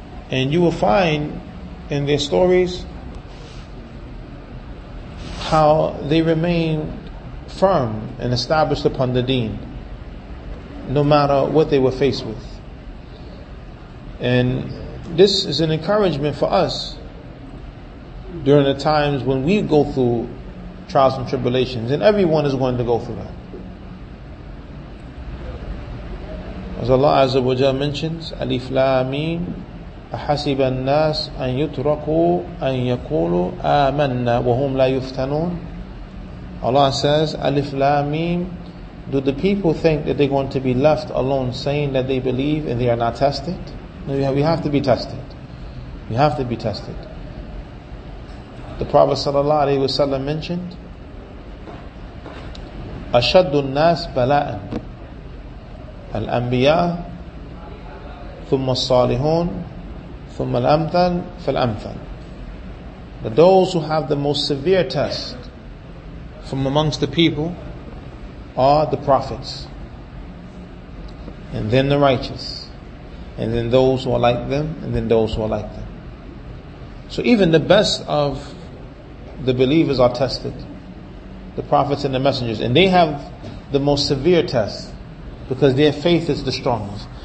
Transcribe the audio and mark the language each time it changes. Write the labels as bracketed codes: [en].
[en] And you will find in their stories how they remain firm and established upon the deen, no matter what they were faced with. And this is an encouragement for us during the times when we go through trials and tribulations, and everyone is going to go through that. As Allah Azza wa Jalla mentions, Alif Lameen, [ar] أَحَسِبَ النَّاسِ أَن يُتْرَقُوا أَن يَقُولُوا آمَنَّا وَهُمْ لَا يُفْتَنُونَ. [en] Allah says, Alif Lameen, do the people think that they're going to be left alone saying that they believe and they are not tested? No, we have to be tested. We have to be tested. The Prophet sallallahu alaihi wasallam mentioned, [ar] أَشَدُّ النَّاسِ بَلَاءً الأنبياء ثم الصالحون ثم الأمثل فالأمثل. [en] But those who have the most severe test from amongst the people are the prophets, and then the righteous, and then those who are like them, and then those who are like them. So even the best of the believers are tested, the prophets and the messengers, and they have the most severe test, because their faith is the strongest.